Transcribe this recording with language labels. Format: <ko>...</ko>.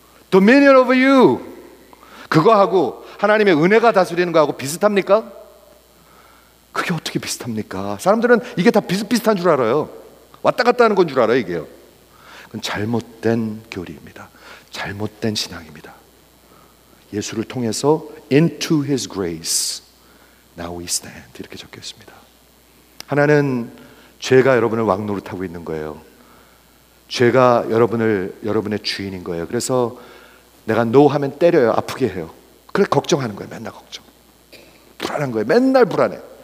<en>Dominion of you.</en> <ko>그거하고 하나님의 은혜가 다스리는 거하고 비슷합니까? 그게 어떻게 비슷합니까? 사람들은 이게 다 비슷비슷한 줄 알아요. 왔다 갔다 하는 건 줄 알아요, 이게요. 그건 잘못된 교리입니다. 잘못된 신앙입니다. 예수를 통해서</ko> <en>into his grace now we stand</en> <ko>이렇게 적혀 있습니다. 하나는 죄가 여러분을 왕노릇하고 있는 거예요. 죄가 여러분을 여러분의 주인인 거예요. 그래서 내가 no 하면 때려요. 아프게 해요. 그래서 걱정하는 거예요. 맨날 걱정. 불안한 거예요. 맨날 불안해.</ko>